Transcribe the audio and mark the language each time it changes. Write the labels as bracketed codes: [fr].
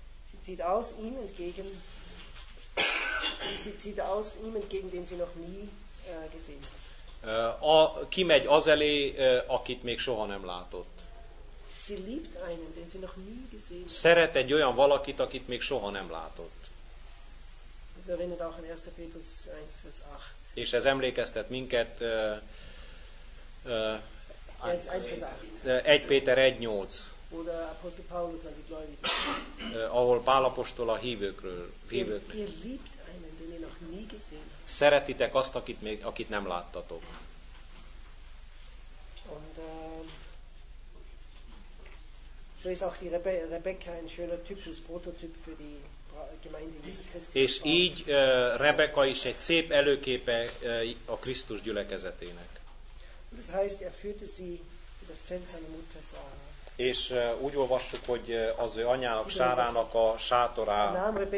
[de] Sie zieht aus ihm entgegen. Wie sieht sie aus ihm entgegen, den sie noch nie gesehen hat? [hu] Kimegy az elé, akit még soha nem látott. [de] Sie liebt einen, den sie noch nie gesehen. [hu] Szeret egy olyan valakit, akit még soha nem látott. [de] Ez erinnert auch an 1. Petrus 1, vers 8. [hu] És ez emlékeztet minket 1 Péter 1:8. [de] Oder Apostel Paulus an die Gläubigen. [hu] Ahol Pál apostol a hívőkről, hívőkről. [de] Ihr liebt einen, den ihr noch nie gesehen habt. [hu] Szeretitek azt, akit még, akit nem láttatok. [de] Und so ist auch die Rebecca ein schöner typisches Prototyp für die Gemeinde Jesu Christi. [hu] És így Rebecca is egy szép előképe a Krisztus gyülekezetének. [de] Das heißt, er führte sie das Zelt seiner Mutter Sarah. [hu] És úgy olvassuk, hogy az ő anyának, Sárának a sátorá.